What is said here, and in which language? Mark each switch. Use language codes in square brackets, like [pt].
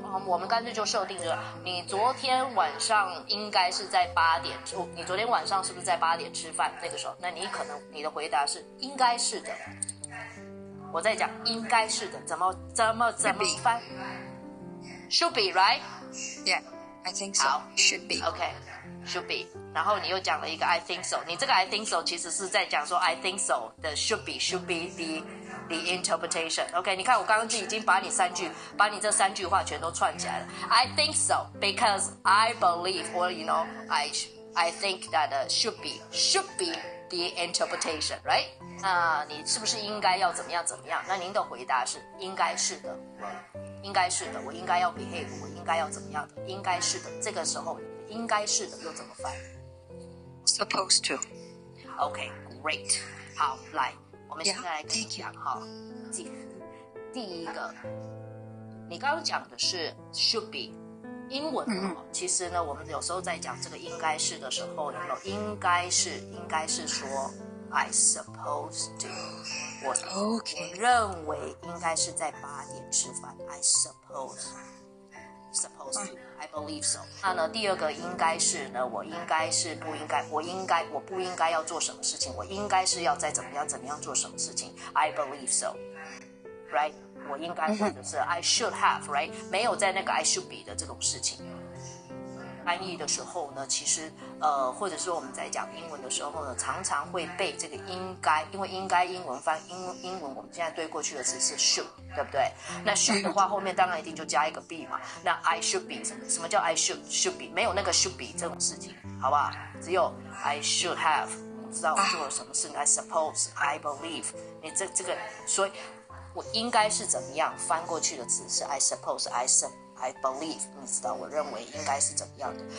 [zh] 我们干脆就设定着，你昨天晚上应该是在八点，你昨天晚上是不是在八点吃饭？那个时候，那你可能你的回答是应该是的。我在讲应该是的，怎么翻 ？ [en] Should be right? Yeah, I think so. [zh] 好 [en] ，should be. OK, should be. [zh] 然后你又讲了一个 [en] I think so, [zh] 你这个 [en] I think so [zh] 其实是在讲说 [en] I think so [zh] 的 [en] should be the interpretation. [zh] OK, 你看我刚刚已经把你这三句话全都串起来了。 [en] I think so because I believe, or you know, I think that should be the interpretation, right? [zh] 那你是不是应该要怎么样怎么样？那您的回答是应该是的，应该是的，我应该要 behave, 我应该要怎么样的，应该是的。这个时候应该是的又怎么翻？ [en] Supposed to. Okay, great. [zh] 好，来，我们现在来跟你讲哈。第一个，你刚刚讲的是 [en] should be. [zh] 英文哈，其实呢，我们有时候在讲这个应该是的时候，有没有应该是说 [en] I suppose to. [zh] 我 [en] okay. [zh] 我认为应该是在八点吃饭。 [en] I suppose. Supposed to, I believe so. [zh] 那呢？第二个应该是呢？我应该是不应该？我不应该要做什么事情？我应该是要再怎么样做什么事情 ？ [en] I believe so, right? [zh] 我应该或者是 [en] I should have, right? [zh] 没有在那个 [en] I should be [zh] 的这种事情。翻译的时候呢，其实或者说我们在讲英文的时候呢，常常会被这个应该，因为应该英文翻英文，我们现在对过去的词是 should, 对不对？那 should 的话，后面当然一定就加一个 be 嘛。那 [en] I should be [zh] 什么叫 [en] I should be? [zh] 没有那个 [en] should be [zh] 这种事情，好不好？只有 [en] I should have, [zh] 我知道我做了什么事 ， [en] I suppose, I believe, [zh] 你这个，所以我应该是怎么样翻过去的词是 [en] I suppose, I believe, [zh] 你知道我认为应该是怎么样的。